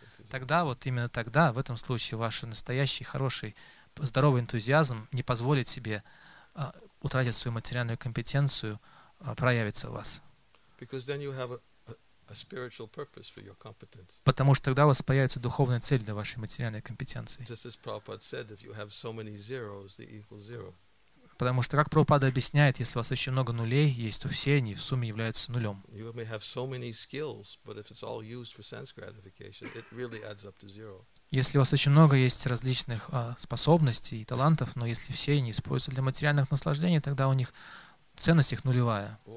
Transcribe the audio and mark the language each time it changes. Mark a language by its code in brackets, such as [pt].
[ru] Тогда вот именно тогда в этом случае ваш настоящий хороший здоровый энтузиазм не позволит себе утратить свою материальную компетенцию проявиться в вас. [en] Because then you have a spiritual purpose for your competence. [ru] Потому что тогда у вас появится духовная цель для вашей материальной компетенции. [en] Just as Prabhupada said, if you have so many zeros, they equal zero. [ru] Потому что, как Прабхупада объясняет, если у вас очень много нулей есть, то все они в сумме являются нулем. [en] You may have so many skills, but if it's all used for sense gratification, it really adds up to zero. [ru] Если у вас очень много есть различных способностей и талантов, но если все они используются для материальных наслаждений, тогда у них ценность их нулевая.